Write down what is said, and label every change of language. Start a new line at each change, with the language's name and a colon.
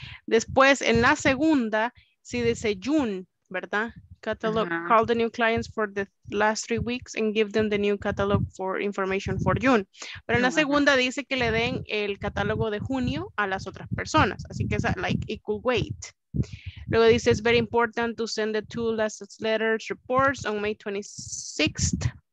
Spanish: Después, en la segunda, sí dice June, ¿verdad?
English: Catalog, ajá, call the new clients for the last 3 weeks and give them the new catalog for information for June.
Spanish: Pero en la segunda dice que le den el catálogo de junio a las otras personas. Así que es
English: like equal weight.
Spanish: Luego dice,
English: it's very important to send the 2 last letters reports on May 26th.